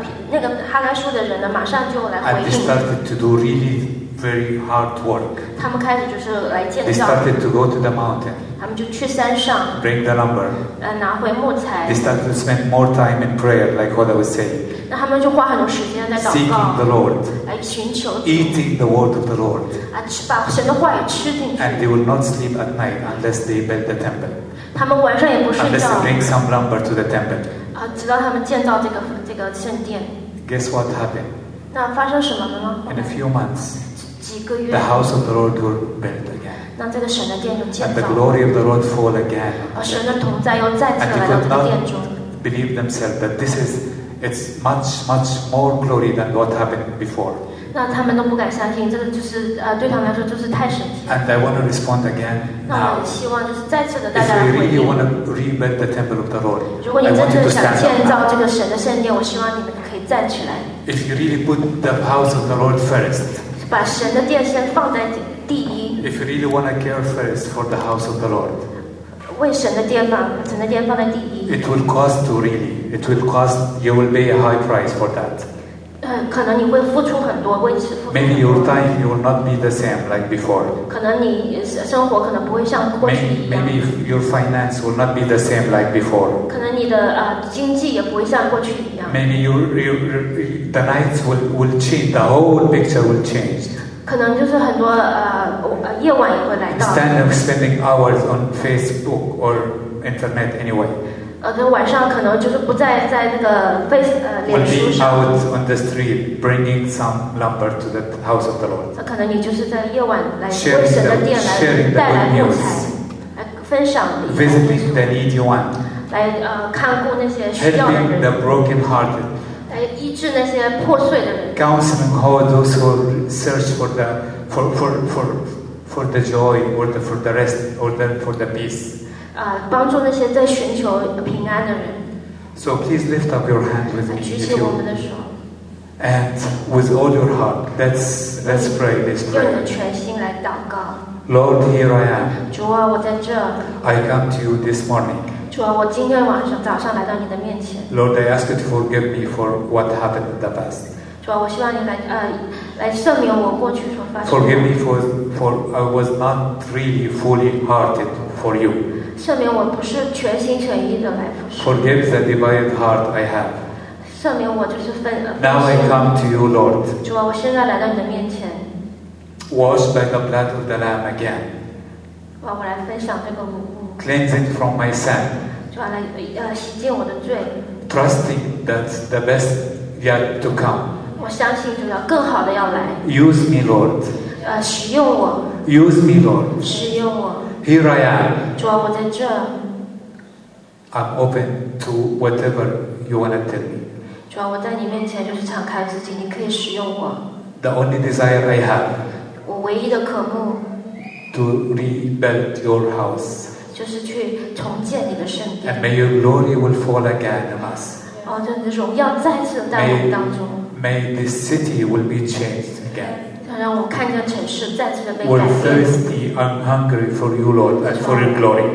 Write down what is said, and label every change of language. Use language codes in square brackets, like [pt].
[zh] 那个哈该书的人呢，马上就来回应。 [en] And they started to do really very hard work. [zh] 他们开始就是来建造。 [en] They started to go to the mountain. [zh] 他们就去山上。 [en] Bring the lumber. [zh] 拿回木材。 [en] They started to spend more time in prayer, like what I was saying. [zh] 那他们就花很多时间在祷告。 [en] Seeking the Lord. [zh] 来寻求。 [en] Eating the word of the Lord. [zh] 把神的话语吃进去。 [en] And they will not sleep at night unless they build the temple. [zh] 他们晚上也不睡觉。 [en] Unless they bring some lumber to the temple. [zh] 直到他们建造这个圣殿。 [en] Guess what happened? [zh] 那发生什么了呢？ [en] In a few months. The house of the Lord will build again. [zh] 那这个神的殿就建造。 [en] And the glory of the Lord fall again. [zh] 神的同在又再次来到这个殿中。 [en] Believe themselves that this is it's much much more glory than what happened before. [zh] 那他们都不敢相信，这个就是对他们来说就是太神奇。 [en] And I want to respond again. [zh] 那我希望就是再次的大家回应。 [en] If you really want to rebuild the temple of the Lord, [zh] 如果你真正想建造这个神的圣殿，我希望你们可以站起来。 [en] If you really put the house of the Lord first. [zh] 把神的殿先放在第一。 [en] If you really want to care first for the house of the Lord, [zh] 为神的殿放在第一。 [en] It will cost to really. It will cost. You will pay a high price for that. [zh] 可能你会付出很多，为此付出很多。 [en] Maybe your time you will not be the same like before. [zh] 可能你生活可能不会像过去一样。 [en] Maybe your finance will not be the same like before. [zh] 可能你的经济也不会像过去一样。 [en] Maybe the nights will change. The whole picture will change. [zh] 可能就是很多夜晚也会来到。 [en] Spending hours on Facebook or internet anyway. [zh] 晚上可能就是不在那个 [en] Will be out on the street bringing some lumber to the house of the Lord. [zh] 可能你就是在夜晚来为神的殿来带来木材，来分享的。 [en] Visiting the needy one. [zh] 来看顾那些需要的人 [en] Helping the brokenhearted [zh] 来医治那些破碎的人 [en] Counseling all those who search for the joy or the, for the rest or the, for the peace [zh] 帮助那些在寻求平安的人 [en] So please lift up your hand with me [zh] 举起我们的手 [en] And with all your heart let's pray this prayer [zh] 用你的全心来祷告 [en] Lord here I am [zh] 主啊我在这 [en] I come to you this morning [zh] 主啊，我今天晚上早上来到你的面前。 [en] Lord, I ask you to forgive me for what happened in the past. [zh] 主啊，我希望你来赦免我过去所发生的。 [en] Forgive me for I was not really fully hearted for you. [zh] 赦免我不是全心全意的来服侍。 [en] Forgive the divided heart I have. [zh] 赦免我就是分。 [en] Now I come to you, Lord. [zh] 主啊，我现在来到你的面前。 [en] Wash by the blood of the Lamb again. [zh] 让我来分享这个母。 [en] Cleansing from my sin. [zh] 主啊，来洗净我的罪。 [en] Trusting that the best yet to come. [zh] 我相信主要更好的要来。 [en] Use me, Lord. [zh] 使用我。 [en] Use me, Lord. [zh] 使用我。 [en] Here I am. [zh] 主啊，我在这。 [en] I'm open to whatever you want to tell me. [zh] 主啊，我在你面前就是敞开自己，你可以使用我。 [en] The only desire I have. [zh] 我唯一的渴慕。 [en] To rebuild your house. [zh] 就是去重建你的圣殿。 [en] And may your glory will fall again in us. [zh] 就是荣耀再次在我们当中。 [en] May this city will be changed again. [zh] 让我看见城市再次的被改变。 [en] We're thirsty, I'm hungry for you, Lord, and for your glory.